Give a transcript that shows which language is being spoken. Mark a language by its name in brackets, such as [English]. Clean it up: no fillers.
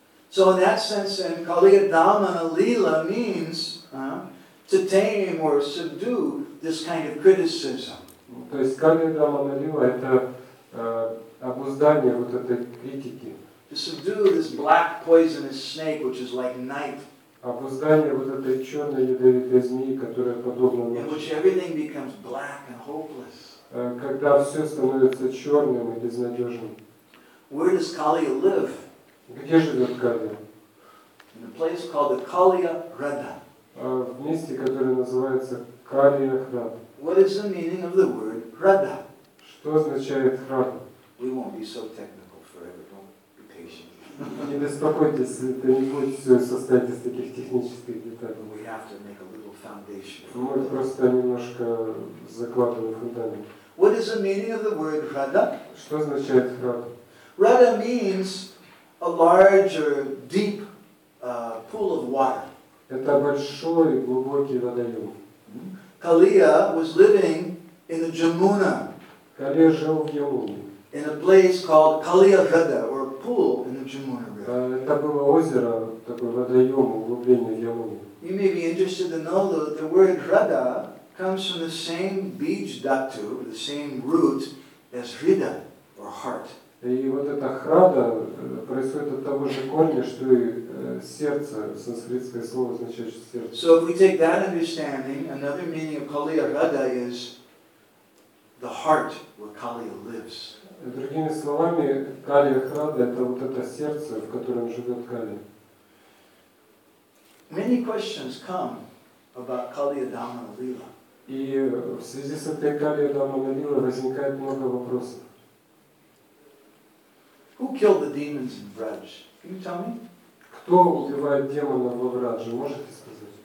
[English] So in that sense, in Kaliya Damana Lila means to tame or subdue this kind of criticism. [Russian] То есть Калия Дамана Лила – это обуздание вот этой критики. [English] To subdue this black poisonous snake, which is like night. [Russian] Обуздание вот этой черной ядовитой змеи, которая подобна ночи. [English] In which everything becomes black and hopeless. [Russian] Когда все становится черным и безнадежным. [English] Where does Kaliya live? [Russian] Где живет Калия? [English] In a place called the Kaliya Hrada. [Russian] В месте, которое называется Калия Храда. [English] What is the meaning of the word Hrada? [Russian] Что означает Hrada? [English] We won't be so technical forever. Don't be patient. [Russian] Не беспокойтесь, это не будет все состоять из таких технических деталей. [English] We have to make a little foundation. [Russian] Мы просто немножко закладываем фундамент. [English] What is the meaning of the word Hrada? [Russian] Что означает Hrada? [English] Hrada means a large or deep pool of water. [Russian] Это большой глубокий водоем. [English] Kaliya was living in the Jamuna. [Russian] Kaliya жил в Ямуне. [English] In a place called Kaliya Hrada, or a pool in the Jamuna River. [Russian] Это было озеро, такое водоем, углубление в Ямуне. [English] You may be interested to know that the word Hrada comes from the same beach dhatu, the same root as Hrida, or heart. [Russian] И вот это Hrada происходит от того же корня, что и сердце, санскритское слово означает сердце. [English] So if we take that understanding, another meaning of Kaliya Hrada is the heart where Kaliya lives. [Russian] Другими словами, Kaliya Hrada это вот это сердце, в котором живет Kaliya. [English] Many questions come about Kaliya Damana Lila. [Russian] И в связи с этой Kaliya Damana Lila возникает много вопросов. [English] Who killed the demons in Braj? Can you tell me? [Russian] Кто убивает демонов во Врадже, можете сказать?